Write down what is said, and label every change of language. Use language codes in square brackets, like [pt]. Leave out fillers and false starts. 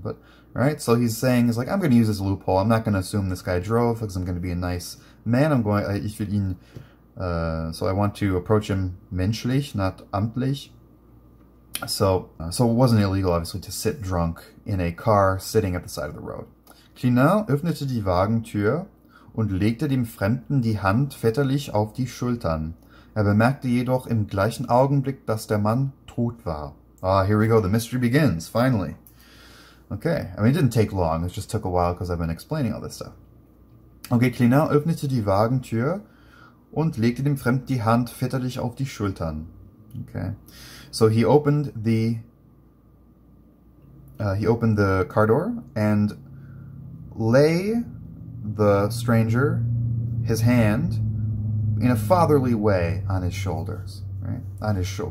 [en] But, right, so he's saying, he's like, I'm going to use this loophole. I'm not going to assume this guy drove because I'm going to be a nice man. I'm going, [de] ich will ihn, [en] so I want to approach him menschlich, not amtlich. So it wasn't illegal, obviously, to sit drunk in a car sitting at the side of the road. [de] Klinau öffnete die Wagentür und legte dem Fremden die Hand väterlich auf die Schultern. Er bemerkte jedoch im gleichen Augenblick, dass der Mann tot war. [en] Ah, here we go, the mystery begins, finally. Okay, I mean, it didn't take long, it just took a while because I've been explaining all this stuff. [de] Okay, Klinau öffnete die Wagentür und legte dem Fremden die Hand väterlich auf die Schultern. [en] Okay, so he opened the car door and lay the stranger his hand in a fatherly way on his shoulders, right? On his shoulder.